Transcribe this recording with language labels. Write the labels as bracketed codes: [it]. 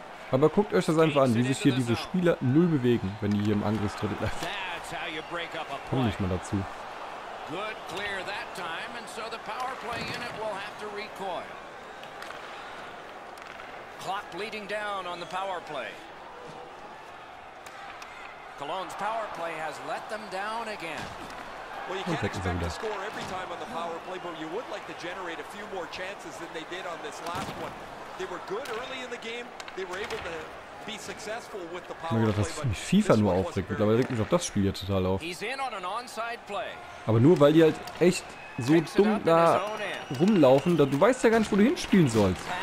[de] Aber guckt euch das einfach an, wie sich hier diese Spieler null bewegen, wenn die hier im Angriffsdrittel laufen. Komm nicht mal dazu. [en] Good clear that time, and so the power play unit will have to recoil. Clock leading down on the power play. Cologne's power play has let them down again. Well, you can't expect to score every time on the power play, but you would like to generate a few more chances than they did on this last one. They were good early in the game. They were able to be successful with the power play. [de] Das mich FIFA nur aufregt, mittlerweile regt mich auch das Spiel hier total auf. [en] He's in on an onside play. [de] Aber nur weil die halt echt so dumm da rumlaufen, da du weißt ja gar nicht, wo du hinspielen sollst.